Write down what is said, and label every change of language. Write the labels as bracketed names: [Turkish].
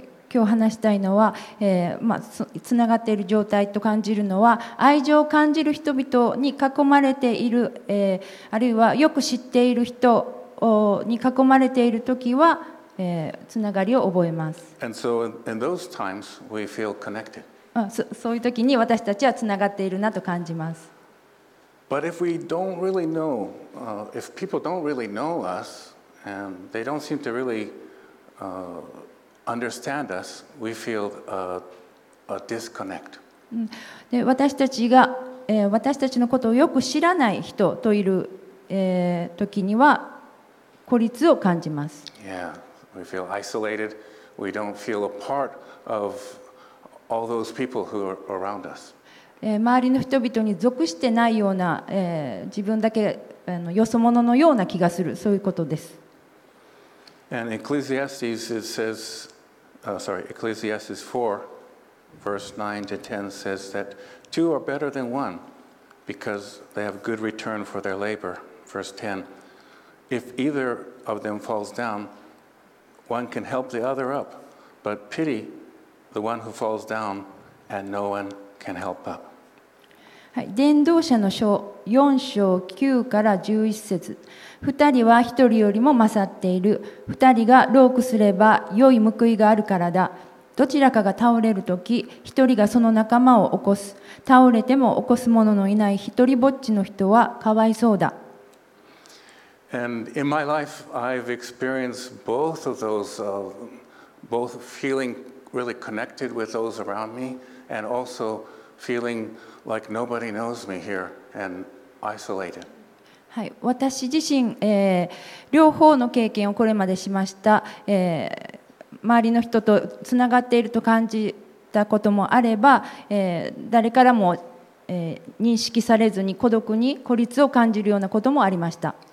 [Japanese] 今日話したいのは、つながっている状態と感じるのは愛情を感じる人々に囲まれている、あるいはよく知っている人に囲まれているときは、つながりを覚えます。 [English] And so in those times we feel connected. [Japanese] そういうときに私たちはつながっているなと感じます。 [English] But if we don't really know, if people don't really know us and they don't seem to really, understand us, we feel a disconnect. [Japanese] で、私たちが、私たちのことをよく知らない人といる、時には孤立を感じます。 [English] Yeah, we feel isolated. We don't feel a part of all those people who are around us. [Japanese] 周りの人々に属してないような、自分だけよそ者のような気がする、そういうことです。 [English] And Ecclesiastes says,Ecclesiastes 4, verse 9 to 10 says that two are better than one because they have good return for their labor. Verse 10, if either of them falls down, one can help the other up, but pity the one who falls down and no one can help up. [Japanese] 伝道者の書4章9から11節、2人は1人よりも勝っている。 2人がロークすれば良い報いがあるからだ。どちらかが倒れるとき、1人がその仲間を起こす。倒れても起こす者のいない一人ぼっちの人はかわいそうだ。 [English] And in my life, I've experienced both of those, both feeling really connected with those around me, and also feeling like nobody knows me here and isolated. [Japanese] はい、私自身、両方の経験をこれまでしました、周りの人とつながっていると感じたこともあれば、誰からも、認識されずに孤独に孤立を感じるようなこともありました。